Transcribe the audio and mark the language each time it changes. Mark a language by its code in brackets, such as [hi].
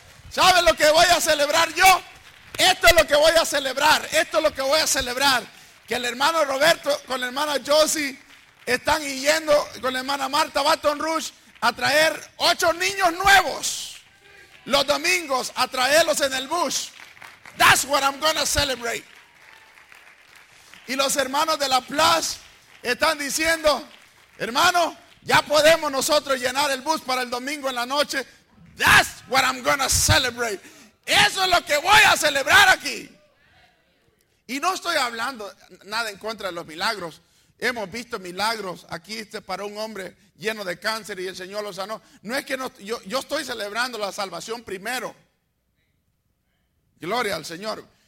[es] ¿Sabe lo que voy a celebrar yo? Esto es lo que voy a celebrar. Esto es lo que voy a celebrar. Que el hermano Roberto con la hermana Josie están yendo con la hermana Marta Baton Rouge a traer 8 niños nuevos los domingos, a traerlos en el bus. [en] That's what I'm gonna celebrate. [es] Y los hermanos de La Plaza están diciendo, hermano, ya podemos nosotros llenar el bus para el domingo en la noche. [en] That's what I'm gonna celebrate. [es] Eso es lo que voy a celebrar aquí. Y no estoy hablando nada en contra de los milagros. Hemos visto milagros. Aquí se paró un hombre lleno de cáncer y el Señor lo sanó. No es que no, yo estoy celebrando la salvación primero. Gloria al Señor.